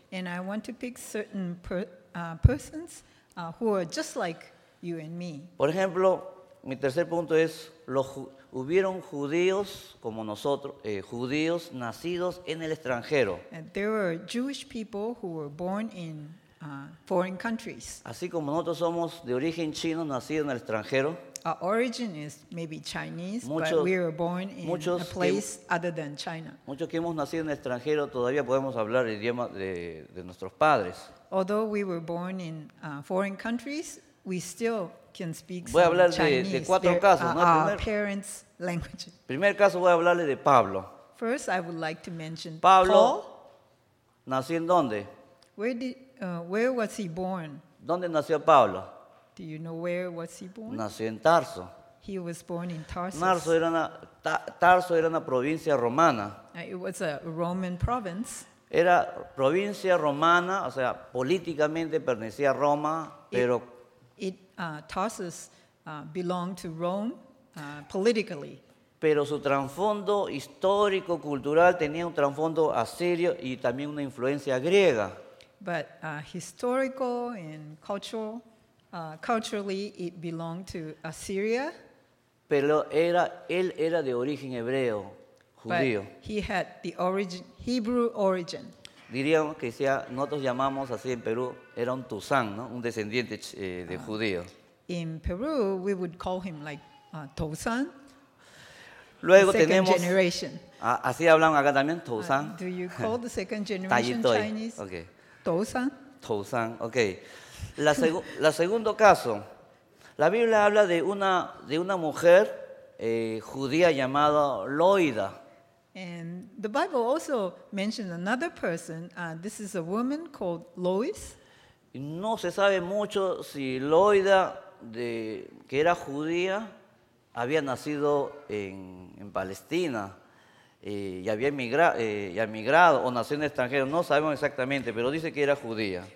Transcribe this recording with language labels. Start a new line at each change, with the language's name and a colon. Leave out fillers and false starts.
English: And I want to pick certain persons who are just like you and me.
Spanish: Por ejemplo, mi tercer punto es hubieron judíos como nosotros, judíos nacidos en el extranjero.
English: And there were Jewish people who were born in foreign countries.
Spanish: Así como nosotros somos de origen chino, nacidos en el extranjero.
English: Our origin is maybe Chinese, but we were born in a place other than China.
Spanish: Muchos que hemos nacido en el extranjero todavía podemos hablar el idioma de nuestros padres.
English: Although we were born in foreign countries, we still can speak
Spanish: Chinese. Voy a hablar de cuatro casos, ¿no?
English: Our parents' language.
Spanish: Primer caso, voy a hablarle de Pablo.
English: First, I would like to mention
Spanish: Pablo.
English: Paul.
Spanish: ¿Nació en dónde?
English: Where was he born?
Spanish: ¿Dónde nació Pablo?
English: Do you know where was he born?
Spanish: Nació en Tarso.
English: He was born in Tarsus.
Spanish: Tarso era una provincia romana.
English: It was a Roman province.
Spanish: Era provincia romana, o sea, políticamente pertenecía a Roma, pero
English: Tarsus belonged to Rome politically.
Spanish: Pero su trasfondo histórico cultural tenía un trasfondo asirio y también una influencia griega.
English: But historical and cultural Culturally, it belonged to Assyria.
Spanish: Pero era, él era de origen hebreo, judío.
English: But he had the origin, Hebrew origin.
Spanish: Diríamos que sea, nosotros llamamos así en Perú, era un Tuzán, ¿no? Un descendiente de judío.
English: In Peru, we would call him like Tuzán.
Spanish: Luego
English: second
Spanish: tenemos,
English: generation.
Spanish: Así hablamos acá también, Tuzán.
English: Do you call the second generation Chinese? Okay. Tuzán. Tuzán, okay.
Spanish: La segundo caso, la Biblia habla de una mujer judía llamada Loida.
English: And the Bible also mentions another person. This is a woman called Lois.
Spanish: No se sabe mucho si Loida, que era judía, había nacido en Palestina y había emigrado o nació en extranjero. No sabemos exactamente, pero dice que era judía.